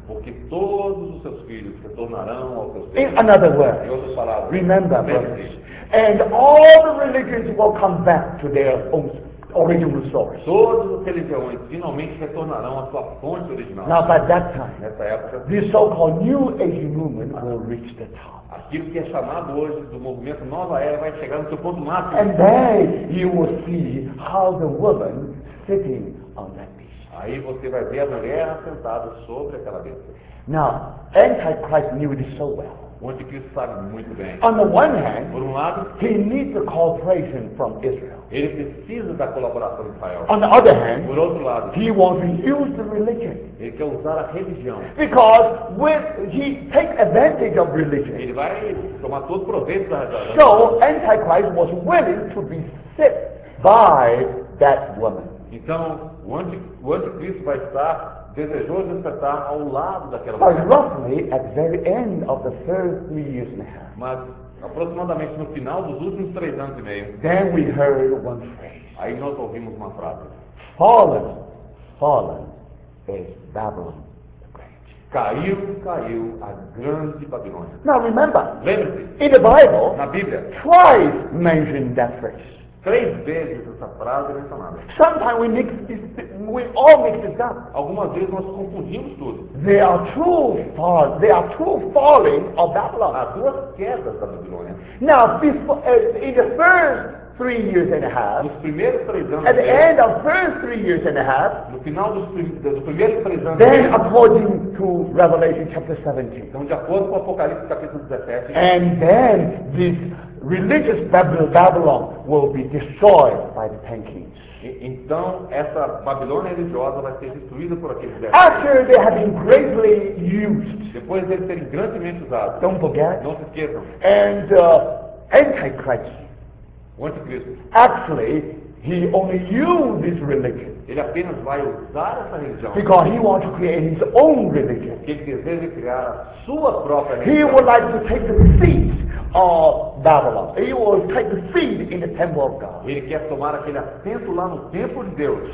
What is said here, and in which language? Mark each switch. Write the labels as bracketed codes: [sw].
[pt] Porque todos os seus filhos retornarão aos seus filhos. [en] In another word, [pt] em outras palavras, [en] remember, brothers, and all the religions will come back to their own original source. [pt] Todos os religiões finalmente retornarão à sua fonte original. [en] Now, by that time, [pt] nessa época, [en] the so-called New Age movement will reach the top. [pt] Aquilo que é chamado hoje do movimento Nova Era vai chegar no seu ponto máximo. [en] And then you will see how the woman sitting on that beast. [pt] Aí você vai ver a mulher sentada sobre aquela besta. [en] Now, Antichrist knew this so well. [pt] O Anticristo sabe muito bem. [en] On the one hand, [pt] por um lado, [en] he needs the cooperation from Israel. [pt] Ele precisa da colaboração de Israel. [en] On the other hand, [pt] por outro lado, [en] he wants to use the religion. [pt] Ele quer usar a religião. [en] Because he takes advantage of religion. [pt] Ele vai tomar todo proveito da religião. [en] So Antichrist was willing to be sit by that woman. [pt] Então o Anticristo vai estar desejou despertar ao lado daquela mulher. [en] Roughly at the very end of the first 3 years and a half. [pt] Mas aproximadamente no final dos últimos 3 anos e meio. [en] Then we heard one phrase. [pt] Aí nós ouvimos uma frase. [en] Fallen, fallen is Babylon the Great. [pt] Caiu a grande Babilônia. [en] Now remember. [pt] Lembre-se. [en] In the Bible. [pt] Na Bíblia. [en] Twice mentioned that phrase. [pt] Três vezes essa frase é mencionada. [en] Sometimes we mix this, we all mix this up. [pt] Algumas vezes nós confundimos tudo. [en] There are two falling of Babylon. [pt] Há duas quedas da Babilônia. [en] Now, in the first 3 years and a half. [pt] Nos primeiros 3 anos. [en] At the end of first 3 years and a half. [pt] No final dos primeiros 3 anos. [en] Then, according to Revelation chapter 17. [pt] Então, de acordo com Apocalipse capítulo 17. [en] And then this religious Babylon will be destroyed by the ten kings. [pt] Então, essa Babilônia religiosa vai ser destruída por aqueles 10 reis. [en] After they have been greatly used. [pt] Depois deles serem grandemente usados. [en] Don't forget. [pt] Não se esqueçam. [en] And Antichrist. [pt] O Anticristo. [en] Actually, he only used this religion. [pt] Ele apenas vai usar essa religião. [en] Because he wants to create his own religion. [pt] Porque ele deseja criar a sua própria religião. [en] He would like to take the seat of Babylon. He will take the seat in the temple of God. [pt] Ele quer tomar aquele assento lá no templo de Deus.